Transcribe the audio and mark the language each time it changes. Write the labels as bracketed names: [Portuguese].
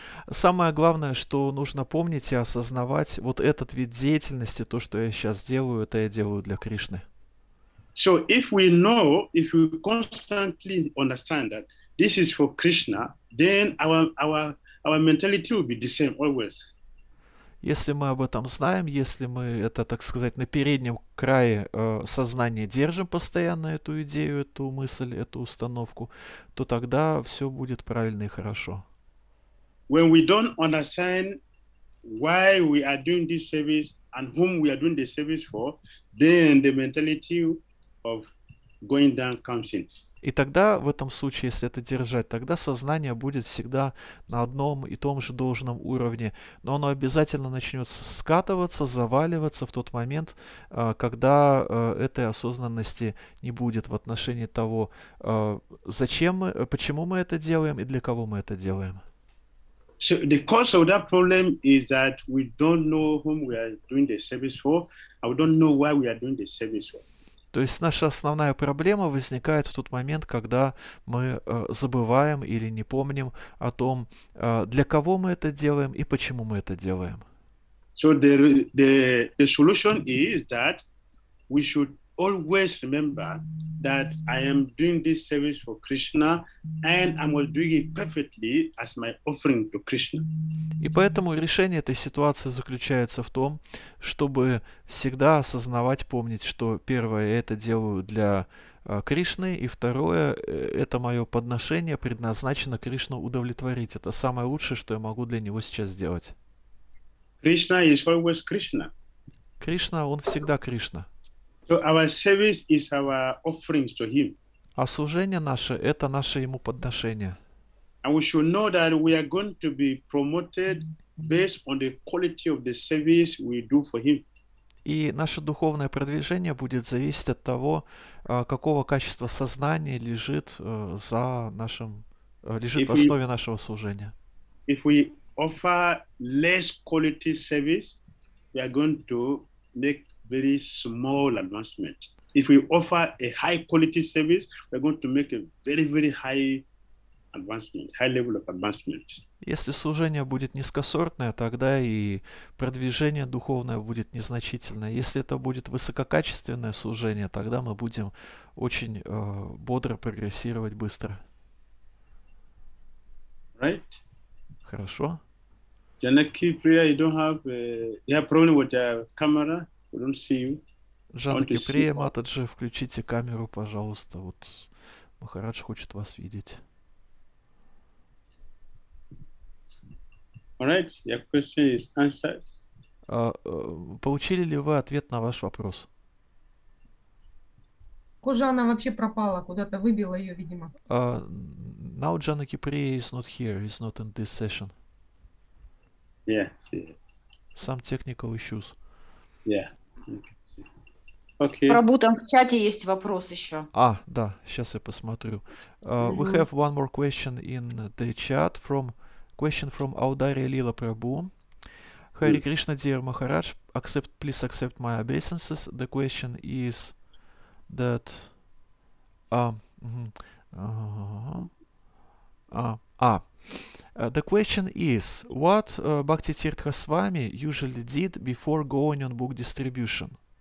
[Russian] Самое главное, что нужно помнить и осознавать, вот этот вид деятельности, то, что я сейчас делаю, это я делаю для Кришны. [English] So if we know, if we constantly understand that this is for Krishna, then our mentality will be the same always. [Russian] Если мы об этом знаем, если мы это, так сказать, на переднем крае сознания держим постоянно эту идею, эту мысль, эту установку, то тогда все будет правильно и хорошо. [English] When we don't understand why we are doing this service and whom we are doing the service for, then the mentality of going down comes in. [Russian] И тогда, в этом случае, если это держать, тогда сознание будет всегда на одном и том же должном уровне. Но оно обязательно начнет скатываться, заваливаться в тот момент, когда этой осознанности не будет в отношении того, зачем мы, почему мы это делаем и для кого мы это делаем. [English] So the cause of that problem is that we don't know whom we are doing the service for, and we don't know why we are doing the service for. [Russian] То есть наша основная проблема возникает в тот момент, когда мы забываем или не помним о том, для кого мы это делаем и почему мы это делаем. [English] So the solution is that we should always remember that I am doing this service for Krishna and I'm doing it perfectly as my offering to Krishna. [Russian] И поэтому решение этой ситуации заключается в том, чтобы всегда осознавать, помнить, что первое, я это делаю для Кришны, и второе, это мое подношение предназначено Кришну удовлетворить. Это самое лучшее, что я могу для него сейчас сделать. [English] Krishna is always Krishna. [Russian] Кришна, он всегда Кришна. [English] So our service is our offerings to him. [Russian] А служение наше – это наше ему подношение. [English] And we should know that we are going to be promoted based on the quality of the service we do for him. [Russian] И наше духовное продвижение будет зависеть от того, какого качества сознания лежит за нашим, лежит в основе нашего служения. [English] If we offer less quality service, we are going to make very small advancement. If we offer a high quality service, we are going to make a very, very high advancement, high level of advancement. [Russian] Если служение будет низкосортное, тогда и продвижение духовное будет незначительное. Если это будет высококачественное служение, тогда мы будем очень бодро прогрессировать быстро. [English] Right? [Russian] Хорошо. [English] Janaki Priya, you don't have you have problem with your camera. We don't see you. [Russian] Janaki Priya, Матаджи, включите камеру, пожалуйста. Вот Махарадж хочет вас видеть. [English] All right, your question is answered. [Russian] Получили ли вы ответ на ваш вопрос? Кожа, она вообще пропала, куда-то выбила ее, видимо. [English] Now Janaki Priya is not here, is not in this session. Yes, yes. Some technical issues. Yeah. Okay. [Russian] Прабу, там в чате есть вопрос еще. А, да, сейчас я посмотрю. [English] We have one more question in the chat from... Question from Audarya Lila Prabhu. Hare Krishna, dear Maharaj, please accept my obeisances. The question is that the question is what Bhakti Tirtha Swami usually did before going on book distribution.